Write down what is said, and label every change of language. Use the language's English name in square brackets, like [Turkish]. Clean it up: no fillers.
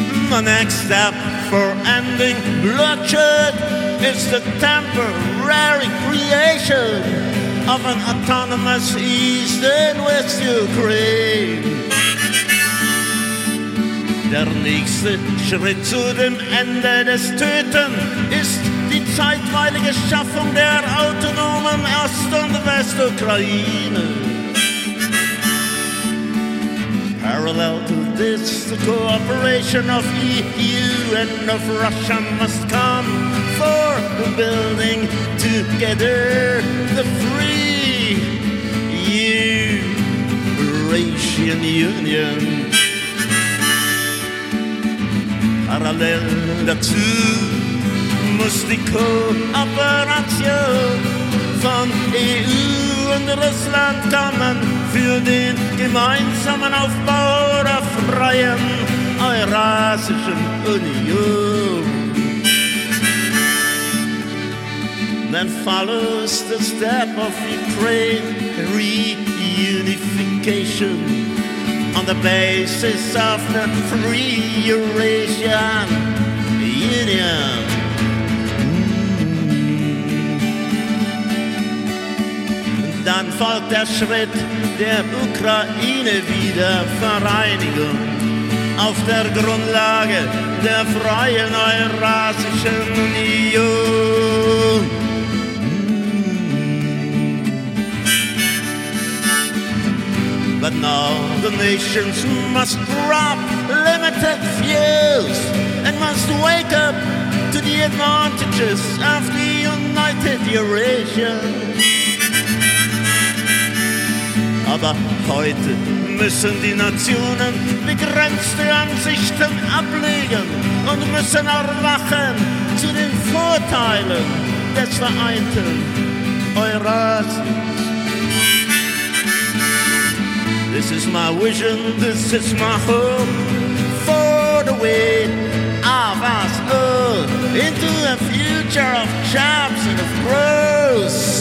[English] The next step for ending bloodshed is the temporary creation of an autonomous East and West Ukraine. [German] Der nächste Schritt zu dem Ende des Töten ist die zeitweilige Schaffung der autonomen Ost- und Westukraine. [English] Parallel to this, the cooperation of EU and of Russia must come for building together the free Eurasian Union. [German] Parallel dazu muss die Kooperation von EU und Russland kommen für den gemeinsamen Aufbau der freien Eurasischen Union. [English] Then follows the step of Ukraine reunification on the basis of the free Eurasian Union. [German] Dann folgt der Schritt der Ukraine-Wiedervereinigung auf der Grundlage der freien Eurasischen Union. [English] But now the nations must drop limited fuels and must wake up to the advantages of the united Eurasia. [German] Aber heute müssen die Nationen begrenzte Ansichten ablegen und müssen erwachen zu den Vorteilen des vereinten Eurasiens. [English] This is my vision, this is my hope for the way of us all into a future of jobs and of growth.